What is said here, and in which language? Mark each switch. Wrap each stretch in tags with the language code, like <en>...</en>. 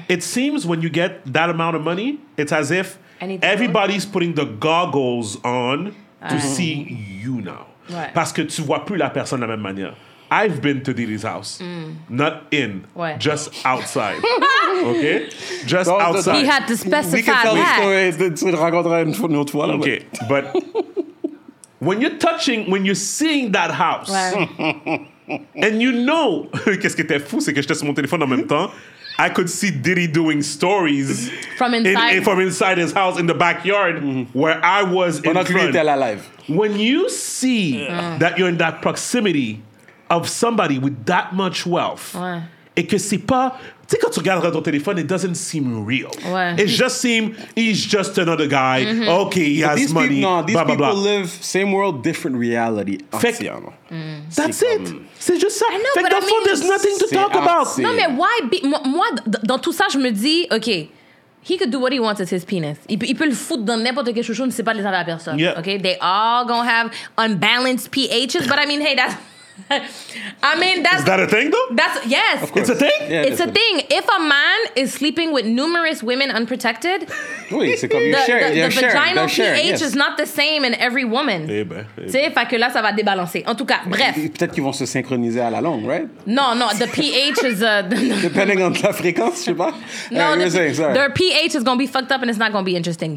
<en>It seems when you get that amount of money, it's as if everybody's putting the goggles on to see you now.</en> <fr>Ouais. Parce que tu vois plus la personne de la même manière.</fr> <en>I've been to Didi's house. Mm. Not in. What? Just outside. Okay? Just outside. He had to specify that. We can tell that. The story. We'll</en> <fr>rencontre une fois, une autre fois.</fr> <en>Okay. But when you're touching, when you're seeing that house, and you know,</en> <fr>qu'est-ce qui était fou, c'est que je teste mon téléphone en même temps,</fr> <en>I could see Didi doing stories from inside, from inside his house in the backyard where I was in front.</en> <fr>Pendant qu'il était live.</fr> <en>When you see that you're in that proximity, of somebody with that much wealth.</en> <fr>Ouais. Et que c'est pas... Tu sais, quand tu regardes ton téléphone,</fr> <en>it doesn't seem real.</en> <fr>Ouais.</fr> <en>It just seems, he's just another guy. Mm-hmm. Okay, he has these money. These people live, same world, different reality. That's it.</en> <fr>C'est juste ça.</fr> <en>There's nothing to talk about.</en> <fr>Non, mais</fr> <en>why...</en> <fr>Moi, dans tout ça, je me dis,</fr> <en>okay, he could do what he wants with his penis.</en> <fr>Il peut le foutre dans n'importe quel chouchou, mais c'est pas les affaires à personne.</fr> <en>Yeah. Okay, they all gonna have unbalanced pHs, but I mean, hey, that's... I mean, that's... Is that a thing, though? That's... Yes. It's a thing? Yeah, it's a thing. If a man is sleeping with numerous women unprotected, the vaginal pH is not the same in every woman.</en> <fr>Eh ben. Tu sais, fait que là, ça va débalancer. En tout cas, bref. Peut-être qu'ils vont se synchroniser à la longue,</fr> <en>right? No, the pH is... Depending on</en> <fr>la fréquence, je sais pas.</fr> <en>No, their pH is going to be fucked up and it's not going to be interesting.</en>